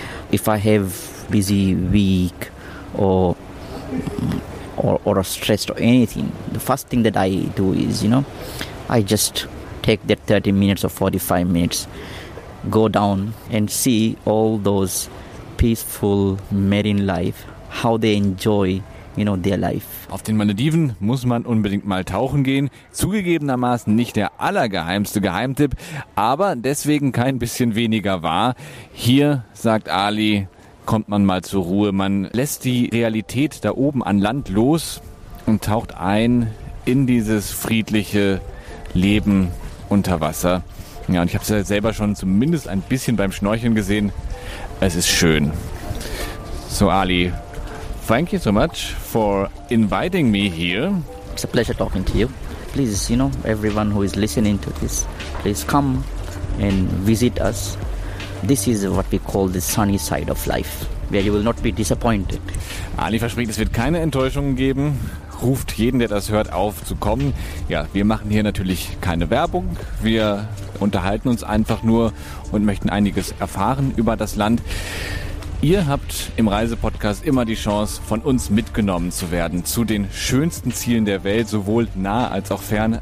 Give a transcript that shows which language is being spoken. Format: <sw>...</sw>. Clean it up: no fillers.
<en>If I have busy week or stressed or anything, the first thing that I do is, you know, I just take that 30 minutes or 45 minutes, go down and see all those peaceful marine life, how they enjoy, you know, their life.</en> <de>Auf den Malediven muss man unbedingt mal tauchen gehen. Zugegebenermaßen nicht der allergeheimste Geheimtipp, aber deswegen kein bisschen weniger wahr. Hier, sagt Ali, kommt man mal zur Ruhe. Man lässt die Realität da oben an Land los und taucht ein in dieses friedliche Leben unter Wasser. Ja, und ich habe es ja selber schon zumindest ein bisschen beim Schnorcheln gesehen. Es ist schön.</de> <en>So, Ali, thank you so much for inviting me here. It's a pleasure talking to you. Please, you know, everyone who is listening to this, please come and visit us. This is what we call the sunny side of life, where you will not be disappointed.</en> <de>Ali verspricht, es wird keine Enttäuschungen geben. Ruft jeden, der das hört, auf zu kommen. Ja, wir machen hier natürlich keine Werbung. Wir unterhalten uns einfach nur und möchten einiges erfahren über das Land. Ihr habt im Reisepodcast immer die Chance, von uns mitgenommen zu werden zu den schönsten Zielen der Welt, sowohl nah als auch fern.</de>